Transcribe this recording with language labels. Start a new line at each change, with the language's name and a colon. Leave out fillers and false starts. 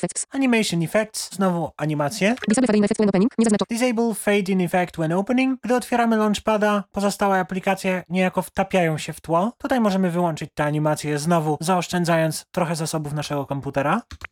English: Animation effects,
Polish: znowu animacje.
English: Disable fade in effect when opening.
Polish: Gdy otwieramy Launchpada, pozostałe aplikacje niejako wtapiają się w tło. Tutaj możemy wyłączyć te animacje, znowu zaoszczędzając trochę zasobów naszego komputera.